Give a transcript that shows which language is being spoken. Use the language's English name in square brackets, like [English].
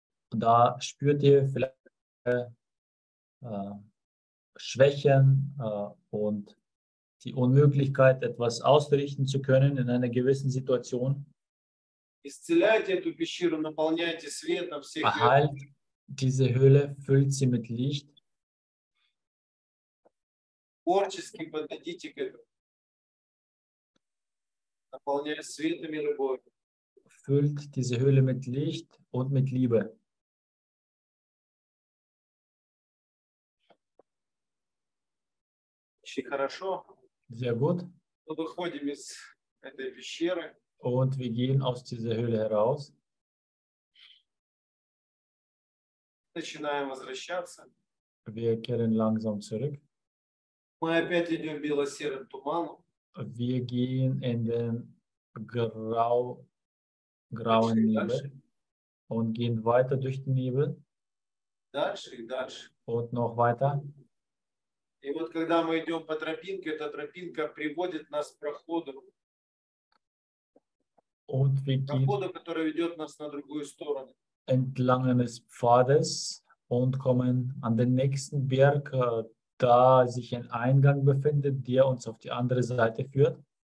[German] Da spürt ihr vielleicht Schwächen und die Unmöglichkeit, etwas ausrichten zu können in einer gewissen Situation. Erheilt diese Höhle, füllt sie mit Licht. [Russian] Творчески подойдите к этому, наполняя светом и любовью. [German] Füllt diese Höhle mit Licht und mit Liebe. [Russian] Хорошо. [German] Sehr gut. [Russian] Мы выходим из этой пещеры. [German] Und wir gehen aus dieser Höhle heraus. [Russian] Начинаем возвращаться. [German] Wir kehren langsam zurück. [Russian] Мы опять идем в бело-серым туманом. [German] Wir gehen in den grauen Nebel. Und gehen weiter durch den Nebel. [Russian] Дальше и дальше. [German] Und noch weiter. [Russian] И вот когда мы идем по тропинке, эта тропинка приводит нас к проходу. [German] und wir gehen entlang eines Pfades und kommen an den nächsten Berg, da sich ein Eingang befindet, der uns auf die andere Seite führt.